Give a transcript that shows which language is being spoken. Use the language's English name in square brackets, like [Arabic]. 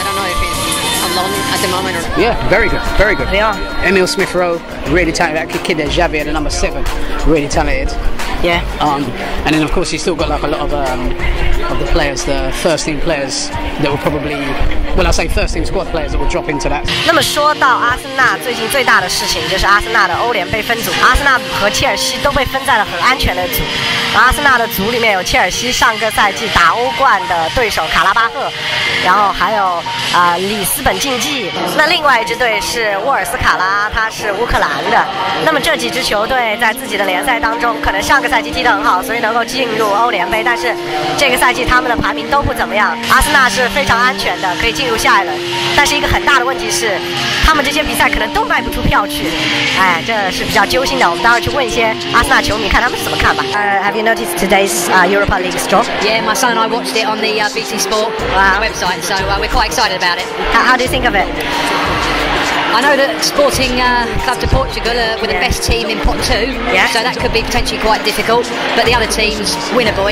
[English] I don't know if he's alone at the moment. Or... Yeah, very good, very good. They are. Emil Smith Rowe, really talented. That kid there, Xavier, the number 7, really talented. Yeah. And then of course he's still got like a lot of the players, the first team players that will probably, well, I say first team squad players that will drop into that. [Chinese] 那么说到阿森纳最近最大的事情就是阿森纳的欧联被分组，阿森纳和切尔西都被分在了很安全的组。阿森纳的组里面有切尔西上个赛季打欧冠的对手卡拉巴赫，然后还有里斯本竞技。那另外一支队是沃尔斯卡拉，他是乌克兰的。那么这几支球队在自己的联赛当中可能上个赛季踢得很好，所以能够进入欧联杯，但是这个赛季他们的排名都不怎么样。阿森纳是非常安全的，可以进入下一轮，但是一个很大的问题是他们这些比赛可能都卖不出票去，哎，这是比较揪心的。我们待会去问一些阿森纳球迷看他们怎么看吧。 [English] Have you noticed today's Europa League draw? Yeah, my son and I watched it on the BT Sport website, so we're quite excited about it. How do you think of it? I know that Sporting Club de Portugal are with the best team in Pot 2, yeah. So that could be potentially quite difficult, but the other team's winnable.